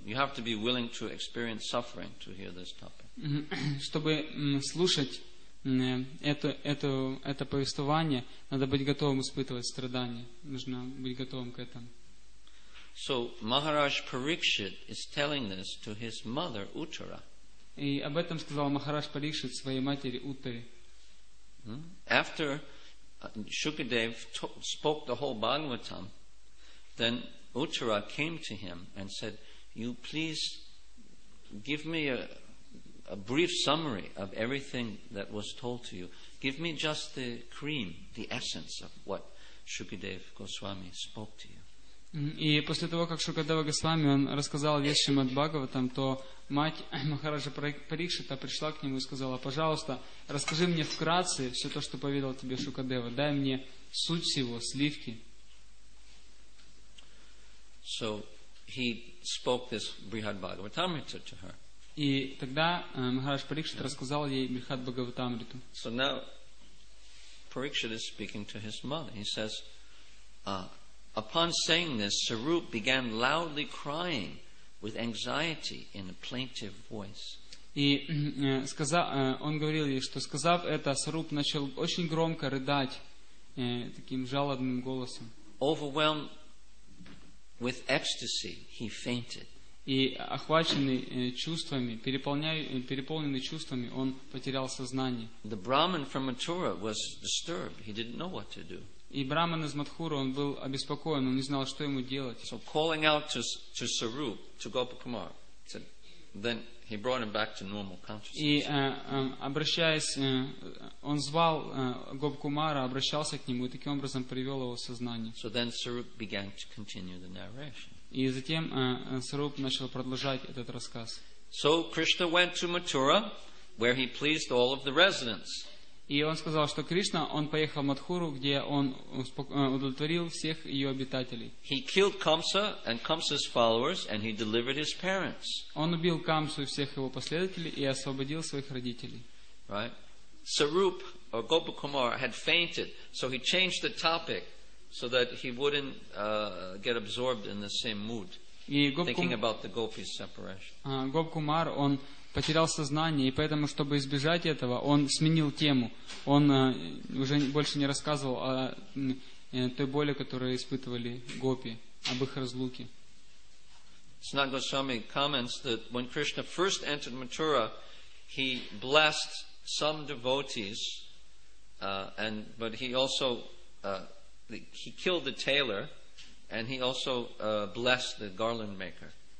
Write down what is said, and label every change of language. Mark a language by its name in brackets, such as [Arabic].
[English] You have to be willing to experience suffering to hear this topic. [Russian] Чтобы слушать это повествование, надо быть готовым испытывать страдания. Нужно быть готовым к этому. [English] So Maharaj Parikshit is telling this to his mother Uttara. [Russian] И об этом сказал Махарадж Парикшит своей матери Уттаре. [English] After Shukadev spoke the whole Bhagavatam, then Uttara came to him and said, "You please give me a brief summary of everything that was told to you. Give me just the cream, the essence of what Shukadev Goswami spoke to you." [Russian] И после того, как Шукадева Госвами он рассказал весь Шримад Бхагаватам, то мать Махараджа Парикшита пришла к нему и сказала: «Пожалуйста, расскажи мне вкратце все то, что поведал тебе Шукадева. Дай мне суть всего, сливки». [English] So he spoke this Brihad Bhagavatamrita to her. [Russian] И тогда Махарадж Парикшит рассказал ей Брихад Бхагаватамриту. [English] So now Parikshit is speaking to his mother. He says, Upon saying this, Sarup began loudly crying with anxiety in a plaintive voice. [Russian] И сказал, он говорил ей, что сказав это, Саруп начал очень громко рыдать таким жалобным голосом. [English] Overwhelmed with ecstasy, he fainted. [Russian] И охваченный чувствами, переполненный чувствами, он потерял сознание. [English] The Brahmin from Mathura was disturbed. He didn't know what to do. [Russian] И Брахман из Матхуры, он был обеспокоен, он не знал, что ему делать. [English] So calling out to Sarup, to Gopakumar, said, Then he brought him back to normal consciousness. [Russian] И обращаясь, он звал Гопкумара, обращался к нему и таким образом привел его в сознание. [English] So then Sarup began to continue the narration. [Russian] И затем Саруп начал продолжать этот рассказ. [English] So Krishna went to Mathura, where he pleased all of the residents. [Russian] И он сказал, что Кришна, он поехал в Матхуру, где он удовлетворил всех ее обитателей. [English] He killed Kamsa and Kamsa's followers, and he delivered his parents. [Russian] Он убил Камсу и всех его последователей и освободил своих родителей. [English] Right. Sarup or Gopakumar had fainted, so he changed the topic so that he wouldn't get absorbed in the same mood, thinking about the gopis' separation. [Russian] Гопкумар, он потерял сознание, и поэтому, чтобы избежать этого, он сменил тему. Он уже больше не рассказывал о той боли, которую испытывали гопи, об их разлуке. [English] Sanat Goswami comments that when Krishna first entered Mathura, he blessed some devotees, but he also he killed the tailor, and he also blessed the garland maker.